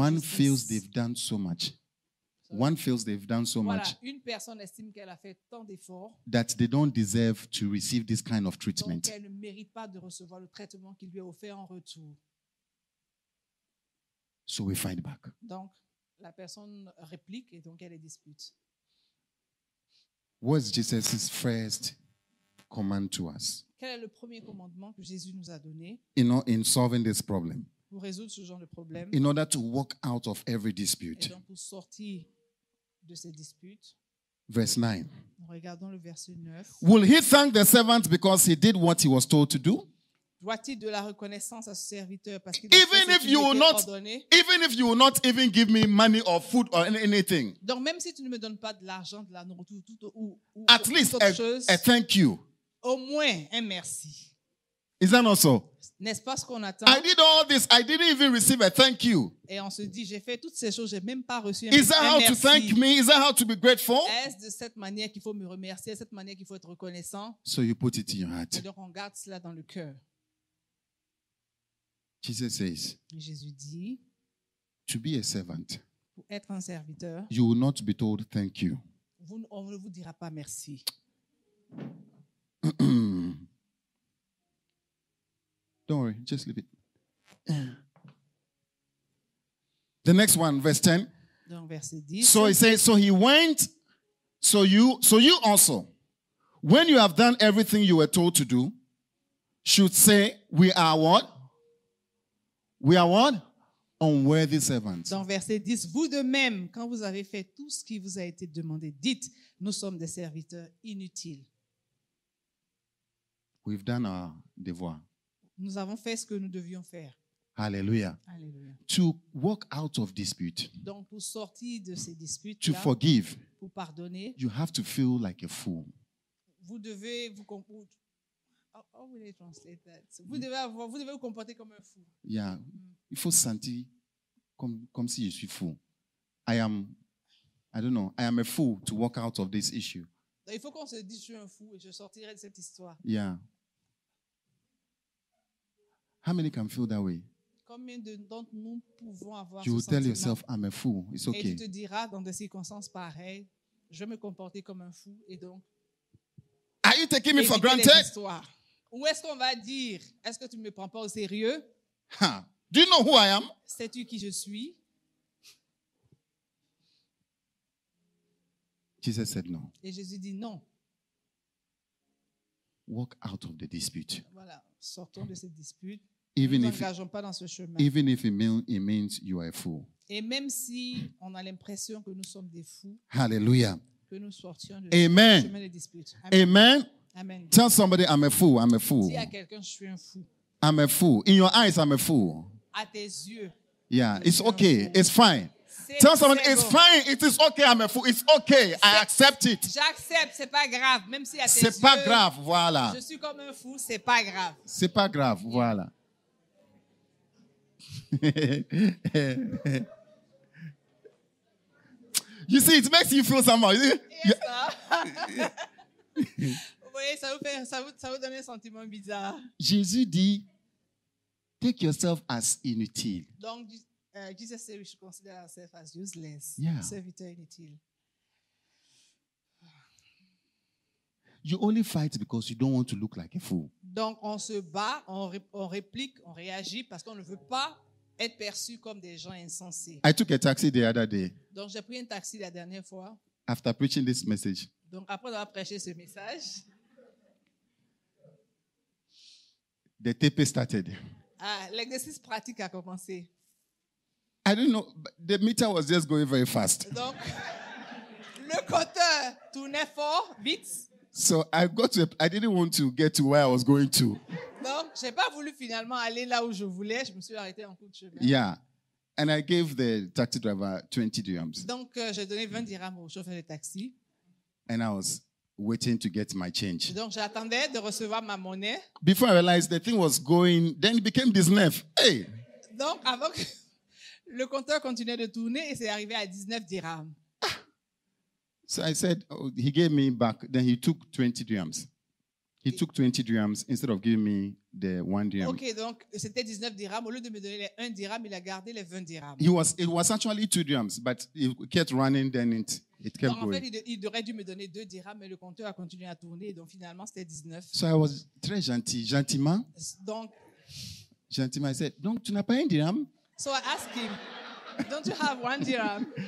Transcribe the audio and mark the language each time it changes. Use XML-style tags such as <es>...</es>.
<en>One feels they've done so much. One feels they've done so much.</en> <fr>Voilà, une personne estime qu'elle a fait tant d'efforts.</fr> <en>That they don't deserve to receive this kind of treatment.</en> <fr>Donc, elle ne mérite pas de recevoir le traitement qui lui est offert en retour.</fr> <en>So we fight back.</en> <fr>Donc, la personne réplique et donc elle dispute.</fr> <en>What's Jesus' first command to us?</en> <fr>Quel est le premier commandement que Jésus nous a donné?</fr> <en>In solving this problem.</en> <fr>Pour résoudre ce genre de problème.</fr> <en>In order to walk out of every dispute.</en> <fr>Et donc pour sortir de ces disputes.</fr> <en>Verse 9.</en> <fr>Regardons le verset 9.</fr> <en>Will he thank the servant because he did what he was told to do?</en> <fr>Doit-il de la reconnaissance à ce serviteur parce qu'il a fait ce qu'il était ordonné?</fr> <en>Even if you will not even give me money or food or anything.</en> <fr>Donc même si tu ne me donnes pas de l'argent, de la nourriture, tout ou</fr> <en>at least a thank you.</en> <fr>Au moins un merci.</fr> <en>Is that not so?</en> <fr>N'est-ce pas ce qu'on attend?</fr> <en>I did all this. I didn't even receive a thank you.</en> <fr>Et on se dit, j'ai fait toutes ces choses, j'ai même pas reçu un merci.</fr> <en>Is that how to thank me? Is that how to be grateful?</en> <fr>Est-ce de cette manière qu'il faut me remercier? Cette manière qu'il faut être reconnaissant?</fr> <en>So you put it in your heart.</en> <fr>Et donc on garde cela dans le cœur.</fr> <en>Jesus says,</en> <fr>Jésus dit,</fr> <en>to be a servant,</en> <fr>pour être un serviteur,</fr> <en>you will not be told thank you.</en> <fr>On ne vous dira pas merci.</fr> <en>Don't worry, just leave it. The next one, verse 10.</en> <fr>Donc, verset 10.</fr> <en>So he says, so he went, so you also, when you have done everything you were told to do, should say, we are what? We are what? Unworthy servants.</en> <fr>Dans verset 10, vous de même, quand vous avez fait tout ce qui vous a été demandé, dites, nous sommes des serviteurs inutiles.</fr> <en>We've done our devoir.</en> <fr>Nous avons fait ce que nous devions faire.</fr> <en>Hallelujah.</en> <fr>Hallelujah.</fr> <en>To walk out of dispute.</en> <fr>Donc pour sortir de ces disputes,</fr> <en>to forgive,</en> <fr>pour pardonner,</fr> <en>you have to feel like a fool.</en> <fr>Vous devez vous comporter.</fr> <en>How will I translate that?</en> <fr>Vous devez vous comporter comme un fou. Yeah. Il faut sentir comme si je suis fou.</fr> <en>I am a fool to walk out of this issue.</en> <fr>Donc, il faut qu'on se dise je suis un fou et je sortirai de cette histoire.</fr> <en>Yeah. How many can feel that way?</en> <fr>Combien d'entre nous pouvons avoir</fr> <en>you</en> <fr>ce</fr> <en>will tell yourself I'm a fool. It's okay.</en> <fr>Et tu te diras dans des circonstances pareilles, je vais me comporter comme un fou et donc.</fr> <en>Are you taking me for granted?</en> <fr>Où est-ce qu'on va dire? Est-ce que tu me prends pas au sérieux?</fr> <en>Do you know who I am?</en> <fr>Sais-tu qui je suis?</fr> <en>Jesus said no.</en> <fr>Et Jésus dit non.</fr> <en>Walk out of the dispute.</en> <fr>Voilà, sortons de cette dispute.</fr> <en>Even</en> <fr>ne t'engageons pas dans ce chemin.</fr> <en>Even if it means you are a fool.</en> <fr>Et même si on a l'impression que nous sommes des fous.</fr> <en>Hallelujah.</en> <fr>Que nous sortions de chemin de dispute.</fr> <en>Amen.</en> <fr>Amen.</fr> <en>Tell somebody I'm a fool. I'm a fool.</en> <fr>Dis à quelqu'un je suis un fou.</fr> <en>I'm a fool. In your eyes, I'm a fool.</en> <fr>À tes yeux.</fr> <en>Yeah, it's okay. It's fine. Tell someone, it's fine. It is okay. I'm a fool. It's okay. I accept it.</en> <fr>J'accepte. C'est pas grave. Même si à tes yeux. C'est pas grave. Voilà. Je suis comme un fou. C'est pas grave. C'est pas grave. Voilà.</fr> <en>You see, it makes you feel somehow.</en> <fr>Vous voyez, ça vous donne un sentiment bizarre. Jésus dit,</fr> <en>take yourself as inutile. Donc, Jesus said we should consider ourselves as useless. Yeah.</en> <fr>Serviteur inutile.</fr> <en>You only fight because you don't want to look like a fool.</en> <fr>Donc, on se bat, on réplique, on réagit parce qu'on ne veut pas être perçu comme des gens insensés.</fr> <en>I took a taxi the other day.</en> <fr>Donc, j'ai pris un taxi la dernière fois.</fr> <en>After preaching this message.</en> <fr>Donc, après avoir prêché ce message.</fr> <en>The TP started.</en> <fr>L'exercice pratique a commencé.</fr> <en>I didn't know. The meter was just going very fast.</en> <fr>Donc, le compteur tournait fort, vite.</fr> <en>So I got to. I didn't want to get to where I was going to.</en> <fr>Donc, j'ai pas voulu finalement aller là où je voulais. Je me suis arrêté en cours de chemin.</fr> <en>Yeah, and I gave the taxi driver 20 dirhams.</en> <fr>Donc, j'ai donné 20 dirhams au chauffeur de taxi.</fr> <en>And I was waiting to get my change.</en> <fr>Donc, j'attendais de recevoir ma monnaie.</fr> <en>Before I realized the thing was going, then it became 19. Hey.</en> <fr>Donc, avant que le compteur continuait de tourner et c'est arrivé à 19 dirhams.</fr> <en>So I said, oh, he gave me back. Then he took 20 dirhams. He took 20 dirhams instead of giving me the 1 dirham.</en> <fr>Okay, donc c'était 19 dirhams. Au lieu de me donner les 1 dirham, il a gardé les 20 dirhams.</fr> <en>It was actually 2 dirhams, but it kept running, then it kept going.</en> <fr>En fait, il aurait dû me donner 2 dirhams, mais le compteur a continué à tourner. Donc finalement, c'était 19.</fr> <en>So I was</en> <fr>très gentil, gentiment. Donc, gentiment,</fr> <en>I said,</en> <fr>donc tu n'as pas 1 dirham?</fr> <en>So I asked him, don't you have 1 dirham?</en>